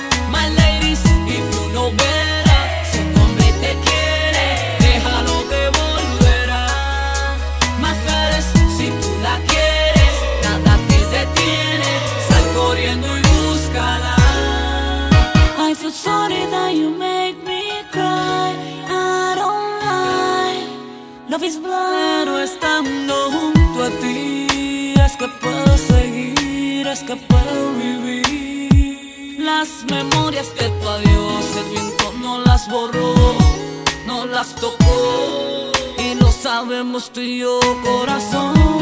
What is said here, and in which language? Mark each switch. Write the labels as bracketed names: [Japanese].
[English] My ladies, if you know better, [Spanish] si tu hombre te quiere, déjalo que volverá. [English] My fellas, [Spanish] si tú la quieres, nada te detiene, sal corriendo y búscala. [English] I feel sorry that you make me cry, I don't lie, love is blind. [Spanish] Estando junto a ti, es que puedo seguir, es que puedo vivir. Las memorias de tu adiós, el viento no las borró, no las tocó. Y lo sabemos tú y yo, corazón.